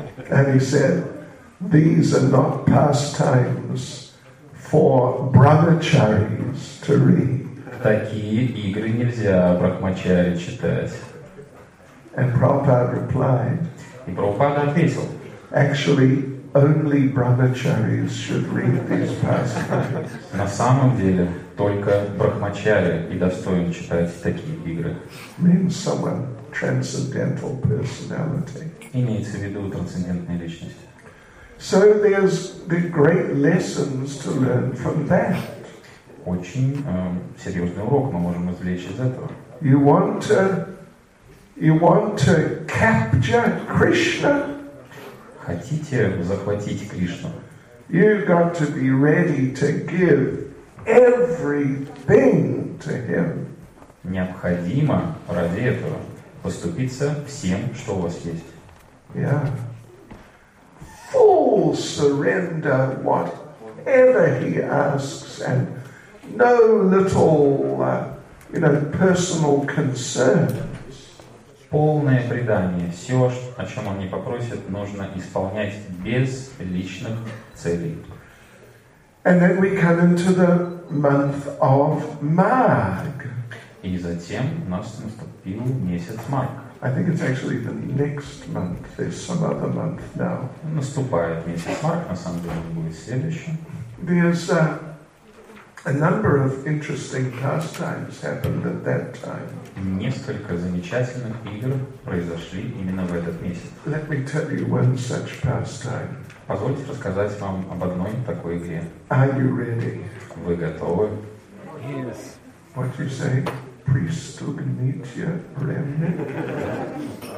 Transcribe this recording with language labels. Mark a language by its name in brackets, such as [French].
[English] And he said, these are not pastimes for brahmacharis to read. [Russian] Такие игры нельзя брахмачари читать. [English] And Prabhupada replied, [Russian] и Прабхупада ответил, [English] actually, only brahmacharis should read these pastimes. [Russian] На самом деле, только брахмачари и достоин читать такие игры. [English] Means someone transcendental personality. [Russian] Имеется в виду трансцендентная личность. [English] So there's the great lessons to learn from that. [Russian] Очень серьезный урок мы можем извлечь из этого. [English] You want to capture Krishna? [Russian] Хотите захватить Кришну? [English] You've got to be ready to give everything to him. [Russian] Необходимо ради этого поступиться всем, что у вас есть. [English] Yeah. Full surrender, whatever he asks, and no little, personal concerns. [Russian] Полное предание. Все, о чем он не попросит, нужно исполнять без личных целей. [English] And then we come into the month of Mag. [Russian] И затем у нас наступил месяц Маг. [English] I think it's actually the next month. There's some other month now. [Russian] Наступает месяц Маг, на самом деле он будет следующим. [English] A number of interesting pastimes happened at that time. [Russian] Несколько замечательных игр произошли именно в этот месяц. [English] Let me tell you one such pastime. [Russian] Позвольте рассказать вам об одной такой игре. [English] Are you ready? [Russian] Вы готовы? [English] Yes. What you say? [Russian] Пристегните ремни.